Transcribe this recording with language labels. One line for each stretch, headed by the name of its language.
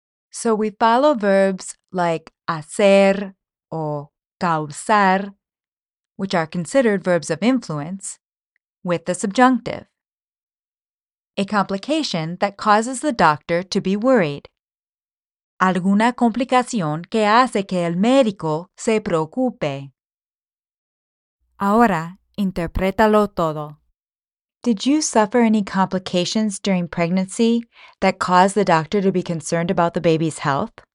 English: So we follow verbs like hacer o causar, which are considered verbs of influence, with the subjunctive. A complication that causes the doctor to be worried.
Spanish: Alguna complicación que hace que el médico se preocupe. Ahora, interprétalo todo.
English: Did you suffer any complications during pregnancy that caused the doctor to be concerned about the baby's health?